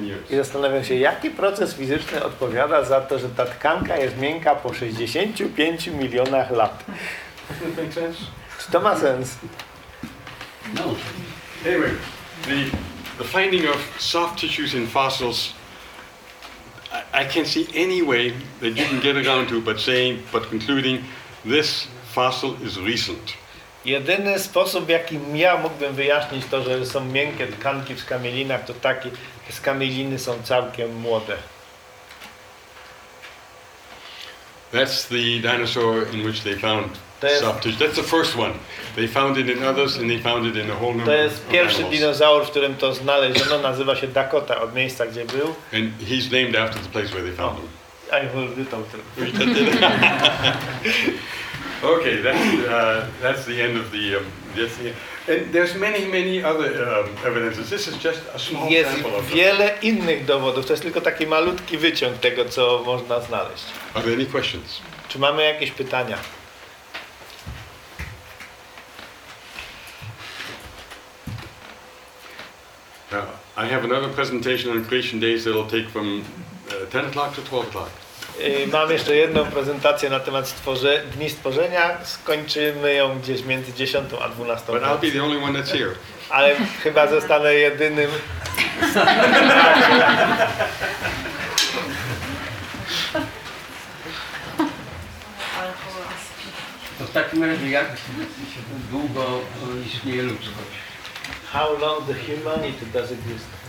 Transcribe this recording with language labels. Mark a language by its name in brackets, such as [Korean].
[Polish] I zastanawiam się, jaki proces fizyczny odpowiada za to, że ta tkanka jest miękka po 65 milionach lat. Czy to ma sens? No. [English] Anyway, the finding of soft tissues in fossils, I can't see any way that you can get around to but concluding this fossil is recent. [Polish] Jedyny sposób, jakim ja mógłbym wyjaśnić to, że są miękkie tkanki w skamielinach, to taki, że skamieliny są całkiem młode. [English] That's the dinosaur in which they found soft tissue. That's the first one. They found it in others and they found it in a whole number of animals. [Polish] To jest pierwszy dinozaur, w którym to znaleziono. Nazywa się Dakota, od miejsca, gdzie był. [English] And he's named after the place where they found him. I will do that. Okay, that's the end of the... And there's many, many other evidences. This is just a small sample of them. [Polish] Jest wiele innych dowodów. To jest tylko taki malutki wyciąg tego, co można znaleźć. [English] Are there any questions? [Polish] Czy mamy jakieś pytania? [English] I have another presentation on creation days that will take from 10 o'clock to 12 o'clock. [Polish] Mam jeszcze jedną prezentację na temat dni stworzenia. Skończymy ją gdzieś między 10 a 12. [English] But I'll be the only one that's here. [Polish] Ale chyba zostanę jedynym. To w takim razie jak długo istnieje ludzkość? [English] How long the humanity does exist?